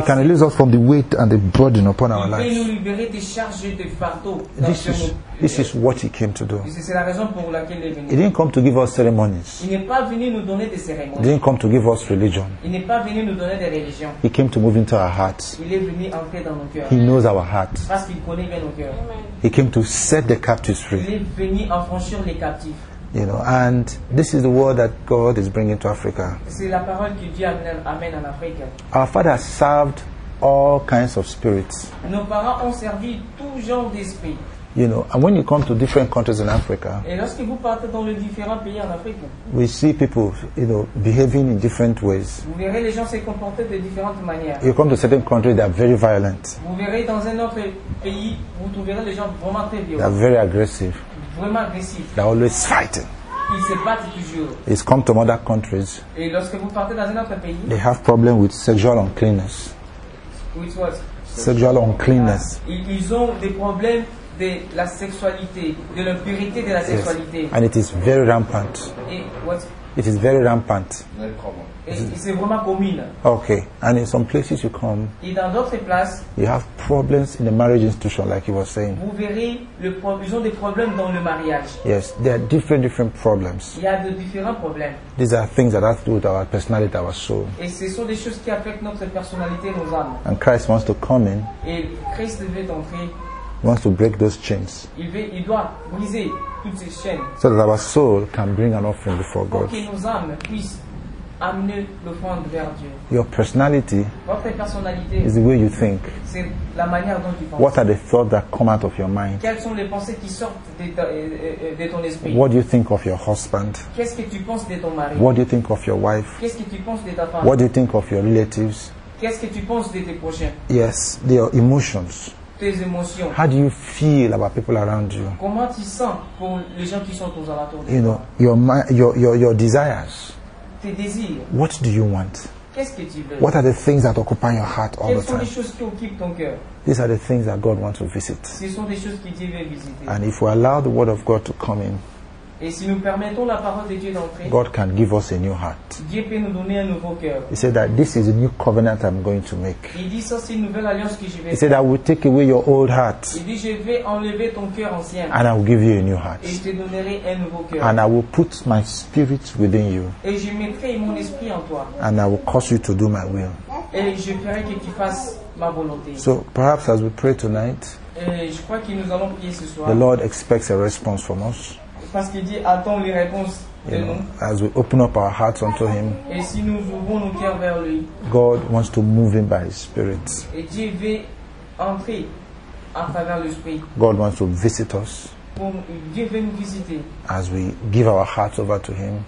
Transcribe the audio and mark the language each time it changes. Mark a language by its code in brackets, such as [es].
[en] He can release us from the weight and the burden upon our lives. [fr] Il peut nous libérer des charges et des fardeaux. [en] This is what He came to do. [fr] C'est la raison pour laquelle il est venu. [en] He didn't come to give us ceremonies. [fr] Il n'est pas venu nous donner des cérémonies. [en] He didn't come to give us religion. [fr] Il n'est pas venu nous donner des religions. [en] He came to move into our hearts. [fr] Il est venu entrer dans nos cœurs. [en] He knows our hearts. [fr] Parce qu'il connaît bien nos cœurs. [en] He came to set the captives free. [fr] Il est venu affranchir les captifs. [en] You know, and this is the word that God is bringing to Africa. [fr] C'est la parole que Dieu amène en Afrique. [en] Our father has served all kinds of spirits. [fr] Nos parents ont servi tout genre d'esprit. [en] You know, and when you come to different countries in Africa, [fr] et lorsque vous partez dans les différents pays en Afrique, [en] we see people, you know, behaving in different ways. [fr] Vous verrez les gens se comporter de différentes manières. [en] You come to certain countries, they are very violent. [fr] Vous verrez dans un autre pays, vous trouverez les gens vraiment très violents. [en] They are very aggressive. They are always fighting. [fr] Ils se battent toujours. [en] It's come to other countries. [fr] Et lorsque vous partez dans un autre pays, [en] they have problem with sexual uncleanness. Which was sexual uncleanness. [fr] Ils ont des problèmes de la sexualité, de l'impurité de la sexualité. [en] And it is very rampant. [fr] Et what? [en] It is very rampant. [fr] C'est vraiment commun. [en] Okay, and in some places you come. [fr] Et dans d'autres places, [en] you have problems in the marriage institution, like you were saying. [fr] Vous verrez ils ont des problèmes dans le mariage. [en] Yes, there are different problems. [fr] Il y a de différents problèmes. [en] These are things that have to do with our personality, our soul. [fr] Et ce sont des choses qui affectent notre personnalité, nos âmes. [en] And Christ wants to come in. [fr] Et Christ veut entrer. [en] He wants to break those chains. [fr] Il doit briser toutes ces chaînes. [en] So that our soul can bring an offering before God. [fr] Pour que nos âmes puissent amener l'offrande vers Dieu. [en] Your personality, [fr] votre personnalité, [en] is the way you think. [fr] C'est la manière dont tu penses. [en] What are the thoughts that come out of your mind? [fr] Quelles sont les pensées qui sortent de ton esprit? [en] What do you think of your husband? [fr] Qu'est-ce que tu penses de ton mari? [en] What do you think of your wife? [fr] Qu'est-ce que tu penses de ta femme? [en] What do you think of your relatives? [fr] Qu'est-ce que tu penses de tes prochains? [en] Yes, your emotions. [fr] Tes émotions. [en] How do you feel about people around you? [fr] Comment tu sens pour les gens qui sont aux alentours de [en] toi? You know, your desires. [fr] Tes désirs. [en] What do you want? [fr] qu'est-ce que tu veux? [en] What are the things that occupy your heart all [fr] Quelles [en] the time? [fr] Les choses qui occupent ton cœur? [en] These are the things that God wants to visit. [fr] Ce sont des choses qui Dieu veut visiter. [en] And if we allow the word of God to come in, [fr] et si nous permettons la parole de Dieu d'entrer, [en] God can give us a new heart. [fr] Dieu peut nous donner un nouveau cœur. [en] He said that this is a new covenant I'm going to make. [fr] Il dit ça, c'est une nouvelle alliance que je vais faire. [en] He said I will take away your old heart. [fr] Il dit je vais enlever ton cœur ancien. [en] And I will give you a new heart. [fr] Et je te donnerai un nouveau cœur. [en] And I will put my spirit within you. [fr] Et je mettrai mon esprit en toi. [en] And I will cause you to do my will. [fr] Et je ferai que tu fasses ma volonté. [en] So perhaps as we pray tonight, [fr] je crois que nous allons prier ce soir, [en] the Lord expects a response from us. [fr] Parce qu'il dit, attends les réponses de nous. [en] As we open up our hearts unto him, [fr] et si nous ouvrons nos cœurs vers lui, [en] God wants to move him by his spirit. [fr] Et Dieu veut entrer à travers l'esprit. [en] God wants to visit us. [fr] Dieu veut nous visiter. [en] As we give our hearts over to him,